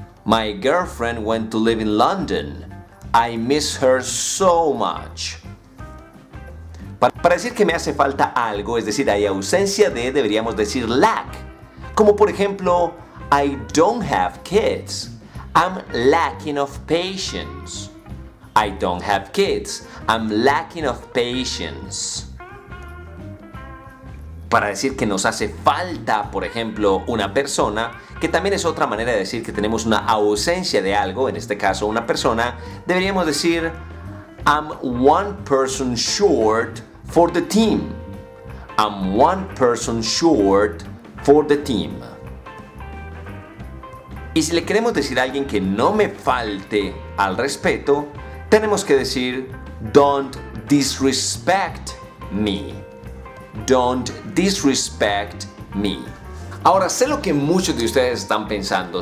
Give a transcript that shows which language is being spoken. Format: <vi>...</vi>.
<en>My girlfriend went to live in London. I miss her so much.</en> <es>Para decir que me hace falta algo, es decir, hay ausencia de, deberíamos decir lack. Como por ejemplo,</es> <en>I don't have kids. I'm lacking of patience. I don't have kids. I'm lacking of patience.</en> <es>Para decir que nos hace falta, por ejemplo, una persona, que también es otra manera de decir que tenemos una ausencia de algo, en este caso una persona, deberíamos decir,</es> <en>I'm one person short for the team. I'm one person short for the team.</en> <es>Y si le queremos decir a alguien que no me falte al respeto, tenemos que decir,</es> <en>don't disrespect me. Don't disrespect me.</en> <es>Ahora, sé lo que muchos de ustedes están pensando.</es>